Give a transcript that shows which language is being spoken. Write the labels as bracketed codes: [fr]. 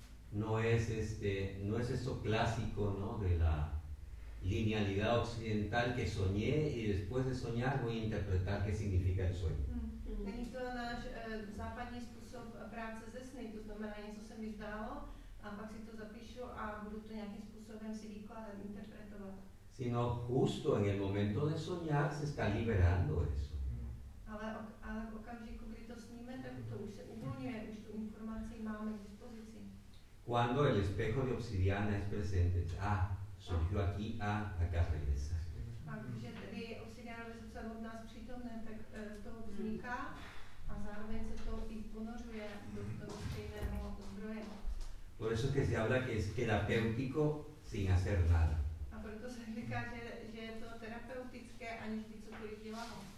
[es] No es eso clásico, ¿no? De la linealidad occidental que soñé y después de soñar voy a interpretar qué significa el sueño. [cs] Není to náš západní způsob práce se sny, to znamená něco se mi zdálo a pak si to zapíšu a budu to nějakým způsobem si vykládat, interpretovat. [es] Sino justo en el momento de soñar se está liberando eso. [cs] Ale v okamžiku, kdy to sníme, tak to už se uvolňuje, už tu informaci máme k dispozici. [es] Cuando el espejo de obsidiana es presente, surgió aquí, acá regresa. [cs] Takže tedy obsidiánové srdce od nás přítomné, tak to vzniká a zároveň se to i ponořuje do toho stejného zdroje. [es] Por eso que se habla que es terapéutico sin hacer nada. [cs] A proto se říká, že je to terapeutické, aniž by cokoliv dělalo.